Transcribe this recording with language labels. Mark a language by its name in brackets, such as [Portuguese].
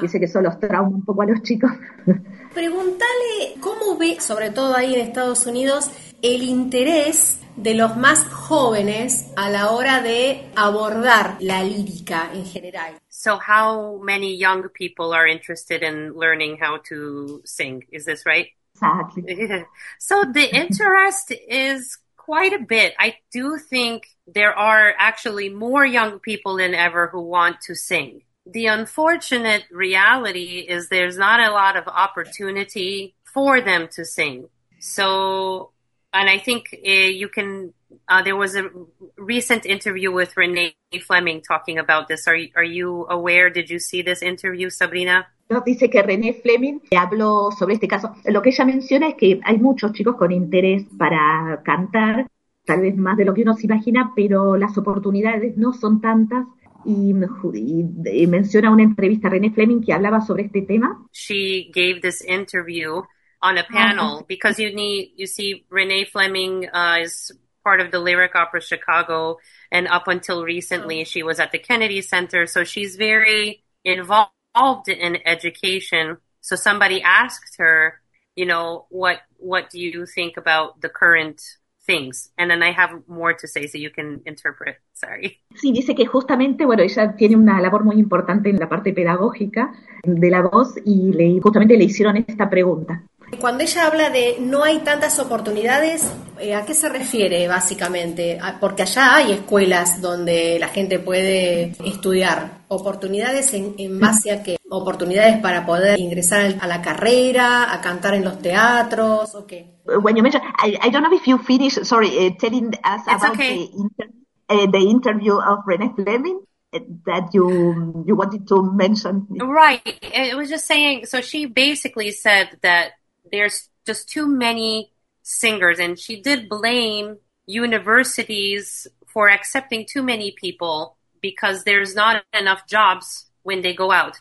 [Spanish] Dice que son los traumas un poco a los chicos. Pregúntale cómo ve, sobre todo ahí en Estados Unidos, el interés de los más jóvenes a la hora de abordar la lírica en general. [English] So how many young people are interested in learning how to sing? Is this right? Exactly. So the interest is quite a bit. I do think there are actually more young people than ever who want to sing. The unfortunate reality is there's not a lot of opportunity for them to sing. So, and I think you can, there was a recent interview with Renee Fleming talking about this. Are you aware? Did you see this interview, Sabrina? [Spanish] No, dice que Renee Fleming habló sobre este caso. Lo que ella menciona es que hay muchos chicos con interés para cantar, tal vez más de lo que uno se imagina, pero las oportunidades no son tantas. Y menciona una entrevista a Renee Fleming que hablaba sobre este tema. [English] She gave this interview on a panel because you see Renee Fleming is part of the Lyric Opera Chicago, and up until recently she was at the Kennedy Center, so she's very involved in education. So somebody asked her, you know, what do you think about the current things, and then I have more to say, so you can interpret. Sorry. [Spanish] Sí, dice que justamente, bueno, ella tiene una labor muy importante en la parte pedagógica de la voz, y justamente le hicieron esta pregunta. Cuando ella habla de no hay tantas oportunidades, ¿a qué se refiere básicamente? Porque allá hay escuelas donde la gente puede estudiar. ¿Oportunidades en base a qué? ¿Oportunidades para poder ingresar a la carrera, a cantar en los teatros, o qué? [English] When you mentioned, I don't know if you finished, sorry, telling us it's about okay. the interview of Renee Fleming. that you wanted to mention. Right. It was just saying, so she basically said that there's just too many singers, and she did blame universities for accepting too many people because there's not enough jobs when they go out.